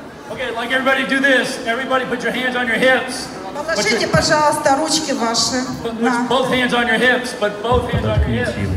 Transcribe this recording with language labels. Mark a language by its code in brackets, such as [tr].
[en] Okay, like everybody do this. Everybody put your hands on your hips. [ru] Положите, пожалуйста, ручки ваши. [en] Both hands on your hips, but both hands on your hips.